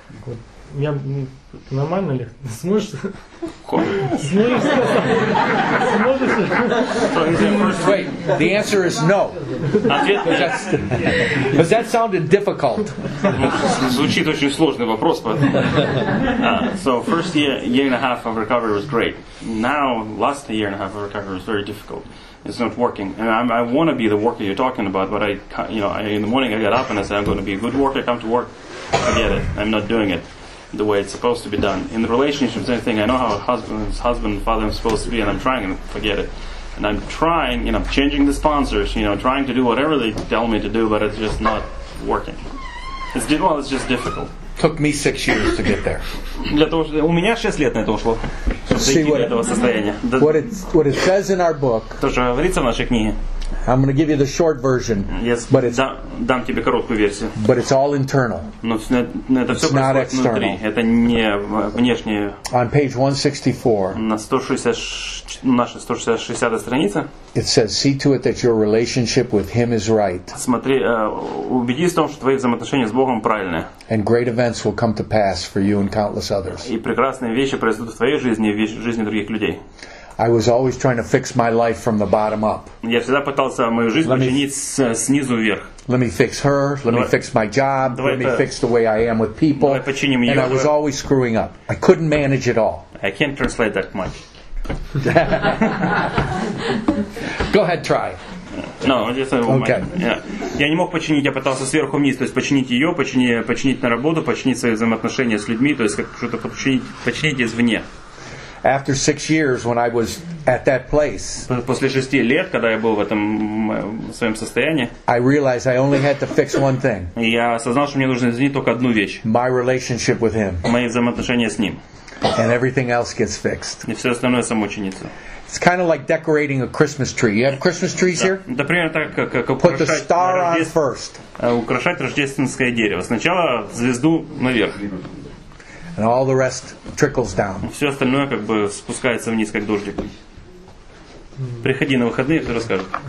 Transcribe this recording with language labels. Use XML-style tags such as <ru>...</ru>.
<ru>Вот. Я нормально ли? Сможешь?</ru> <en>Wait, the answer is no. Because that sounded difficult.</en> <ru>Звучит очень сложный вопрос, поэтому.</ru> <en>So first year and a half of recovery was great. Now last year and a half of recovery was very difficult. It's not working, and I want to be the worker you're talking about. But I in the morning I got up and I said I'm going to be a good worker. Come to work, forget it. I'm not doing it the way it's supposed to be done. In the relationships, anything, I know how a husband and father are supposed to be, and I'm trying, and forget it. And I'm trying, you know, changing the sponsors, you know, trying to do whatever they tell me to do, but it's just not working. It's just difficult. Took me 6 years to get there.</en> <ru>У меня 6 лет на это ушло, чтобы дойти до этого состояния.</ru> <en>What it says in our book,</en> <ru>то, что говорится в нашей книге,</ru> <en>I'm going to give you the short version, yes, but it's</en> <ru>дам тебе короткую версию.</ru> <en>But it's all internal.</en> <ru>Но это все происходит внутри. Это не внешнее.</ru> <en>On page 164.</en> <ru>На 164. наша 160-я страница.</ru> <en>It says, see to it that your relationship with him is right.</en> <ru>Смотри, убедись в том, что твои взаимоотношения с Богом правильные.</ru> <en>And great events will come to pass for you and countless others.</en> <ru>И прекрасные вещи произойдут в твоей жизни и в жизни других людей.</ru> <en>I was always trying to fix my life from the bottom up.</en> <ru>Я всегда пытался мою жизнь починить снизу вверх.</ru> <en>Let me fix her, let me fix my job, let me fix the way I am with people.</en> <ru>Давай починим её.</ru> <en>And I was always screwing up. I couldn't manage it all. I can't translate that much. Go ahead, try. No, okay.</en> <ru>Я не мог починить, я пытался сверху вниз, то есть починить её, починить на работу, починить свои взаимоотношения с людьми, то есть как что-то починить извне.</ru> <en>After 6 years, when I was at that place,</en> <ru>после 6 лет, когда я был в этом своем состоянии,</ru> <en>I realized I only had to fix one thing.</en> <ru>Я осознал, что мне нужно изменить только одну вещь.</ru> <en>My relationship with him.</en> <ru>Мои взаимоотношения с ним.</ru> <en>And everything else gets fixed.</en> <ru>И все остальное само чинится.</ru> <en>It's kind of like decorating a Christmas tree. You have Christmas trees here?</en> <ru>Да, примерно так, как</ru> <en>put the star on first.</en> <ru>Украшать рождественское дерево. Сначала звезду наверх.</ru> <en>And all the rest trickles down.</en> <ru>Все остальное как бы спускается вниз, как дождик. Приходи на выходные, я тебе расскажу.</ru>